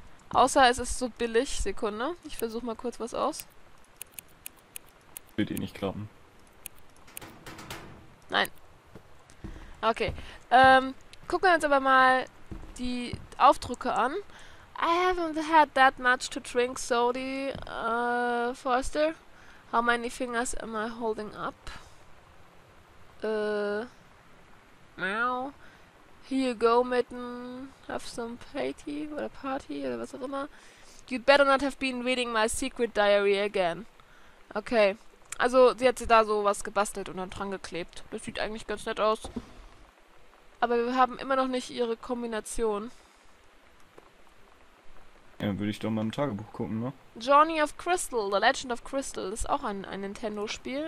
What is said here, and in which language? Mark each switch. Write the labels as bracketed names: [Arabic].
[German] Außer es ist so billig. Sekunde. Ich versuche mal kurz was aus. Wird eh nicht klappen. Nein. Okay. Gucken wir uns aber mal die Aufdrücke an. [English] I haven't had that much to drink, Sody, Foster. How many fingers am I holding up? Meow. Here you go, Mitten. Have some party [German] oder was auch immer. [English] You'd better not have been reading my secret diary again. [German] Okay. Also, sie hat sie da so was gebastelt und dann dran geklebt. Das sieht eigentlich ganz nett aus. Aber wir haben immer noch nicht ihre Kombination. Ja, würde ich doch mal im Tagebuch gucken, ne? Journey of Crystal, The Legend of Crystal, ist auch ein Nintendo-Spiel.